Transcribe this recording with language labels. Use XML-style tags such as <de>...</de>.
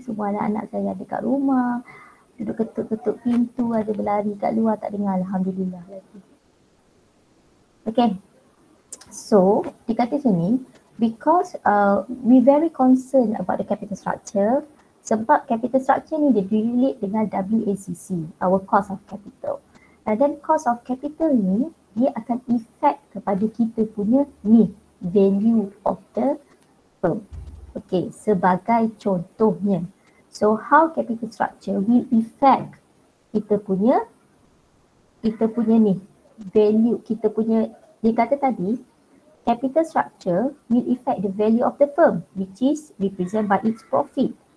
<ms>Semua anak-anak saya ada kat rumah. Duduk ketuk-ketuk pintu, ada berlari kat luar, tak dengar. Alhamdulillah.</ms> <en>Okay. So,</en> <ms>dikata sini,</ms> <en>because we very concerned about the capital structure.</en> <ms>Sebab capital structure ni dia relate dengan WACC,</ms> <en>our cost of capital. And then cost of capital ni, dia akan effect</en> <ms>kepada kita punya ni,</ms> <en>value of the firm.</en> <ms>Okay, sebagai contohnya.</ms> <en>So, how capital structure will effect</en> <ms>kita punya ni,</ms> <en>value, kita punya,</en> <ms>dia kata tadi,</ms> <en>capital structure will effect the value of the firm, which is represented by its profit.</en>